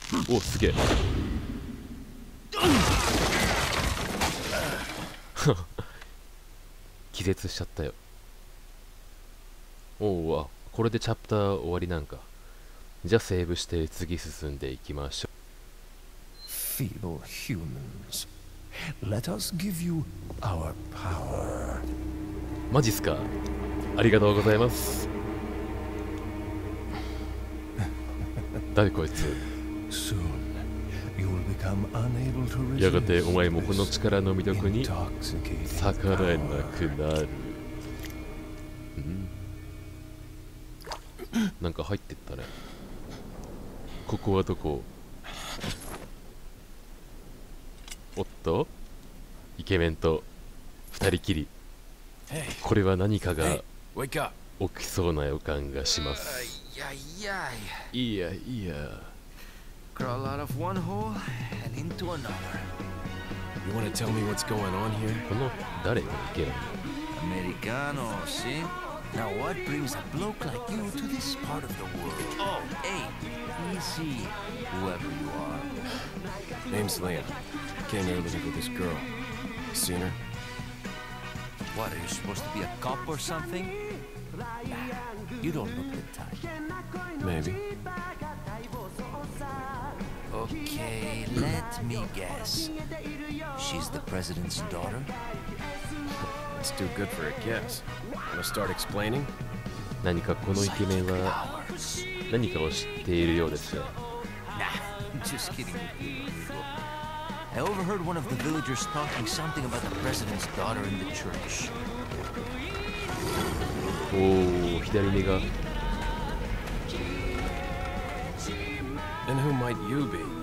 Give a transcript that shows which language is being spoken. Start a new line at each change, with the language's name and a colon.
Japanese: お、すげえ。気絶しちゃったよ。おお、あ、これでチャプター終わりなんか。じゃあセーブして次進んでいきましょう。
English: Feeble humans, let us give you our power.
Japanese: マジっすか。ありがとうございます。誰こいつ。
English: Soon, you will become unable to resist.
Japanese: やがてお前もこの力の魅力に逆らえなくなる。なんか入ってったね。ここはどこ？おっと、イケメンと二人きり。これは何かが起きそうな予感がします。いや
English: Crawl out of one hole and into another. You wanna tell me what's going on here?
Japanese: この誰がいけないの？アメリカの、し？
English: Now what brings a bloke like you to this part of the world? Oh, hey, easy, whoever you are. Name's Leia. Came here looking for this girl. Seen her? What, are you supposed to be a cop or something? You don't look the type. Maybe. Okay, let me guess. She's the president's daughter? That's too good for a guess. Wanna start explaining?
Japanese: 何かこのイケメンは何かを知っているようですよ。
English: Nah, just kidding. I overheard one of the villagers talking something about the president's daughter in the church.
Japanese: おー、左目が。
English: And who might you be?